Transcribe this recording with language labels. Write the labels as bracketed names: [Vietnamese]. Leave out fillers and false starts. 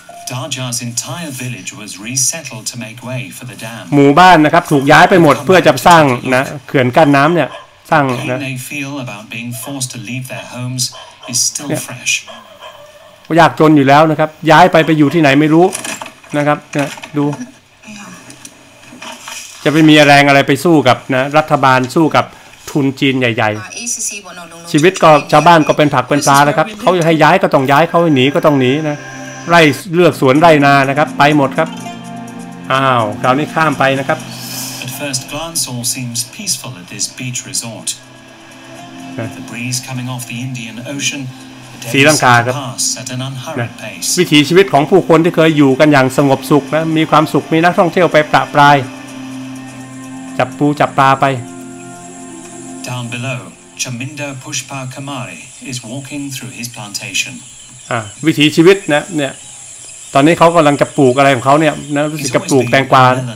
[English] Daja's entire village was resettled to make way for the dam. [Thai] หมู่บ้านนะครับถูกย้ายไปหมดเพื่อจะสร้างนะเขื่อนกั้นน้ำเนี่ยสร้างนะ [English] They feel about being forced to leave their homes is still fresh. [Thai] ก็ยากจนอยู่แล้วนะครับย้ายไปอยู่ที่ไหนไม่รู้นะครับนะดูจะไปมีแรงอะไรไปสู้กับนะรัฐบาลสู้กับทุนจีนใหญ่ๆชีวิตก็ชาวบ้านก็เป็นผักเป็นปลาแล้วครับเขาให้ย้ายก็ต้องย้ายเขาให้หนีก็ต้องหนีนะไร่เลือกสวนไร่นานะครับไปหมดครับอ้าวคราวนี้ข้ามไปนะครับ [English] At first glance all seems peaceful at this beach resort The breeze coming off the Indian Ocean [Thai] สีลังกาครับ [English] at an unhurried pace [Thai] วิถีชีวิตของผู้คนที่เคยอยู่กันอย่างสงบสุขนะมีความสุขมีนักท่องเที่ยวไปประปรายจับปูจับปลาไป [English] Down below Chaminda Pushpa Kamari is walking through his plantation [Thai] วิถีชีวิตนะเนี่ยตอนนี้เขากำลังจะปลูกอะไรของเขาเนี่ยนะรู้สึกจะปลูกแตงกวาน